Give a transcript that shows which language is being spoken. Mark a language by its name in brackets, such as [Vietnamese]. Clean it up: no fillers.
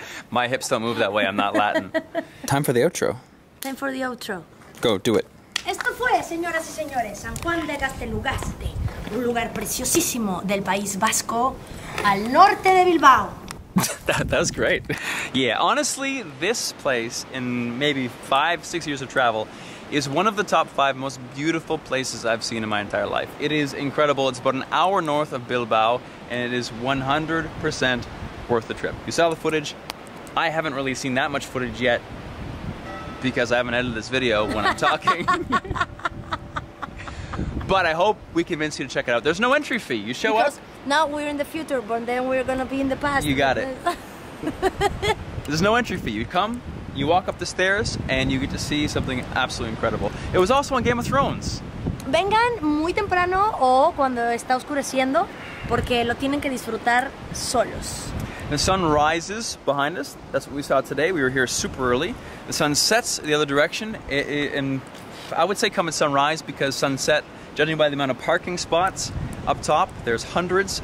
[English] My hips don't move that way. I'm not Latin. Time for the outro. Go, do it. [Spanish] Esto fue, señoras y señores, San Juan de Gaztelugatxe, un lugar preciosísimo del País Vasco, al norte de Bilbao. [English] That was great. Yeah, honestly, this place, in maybe 5-6 years of travel, is one of the top 5 most beautiful places I've seen in my entire life. It is incredible. It's about an hour north of Bilbao, and it is 100% worth the trip. You saw the footage. I haven't really seen that much footage yet, because I haven't edited this video when I'm talking. But I hope we convince you to check it out. There's no entry fee. You show because up. Now we're in the future, but then we're gonna be in the past. You got it. There's no entry fee. You come, you walk up the stairs, and you get to see something absolutely incredible. It was also on Game of Thrones. [Spanish] Vengan muy temprano o cuando está oscureciendo, porque lo tienen que disfrutar solos. [English] The sun rises behind us. That's what we saw today. We were here super early. The sun sets the other direction, and I would say come at sunrise, because sunset, judging by the amount of parking spots up top, there's hundreds.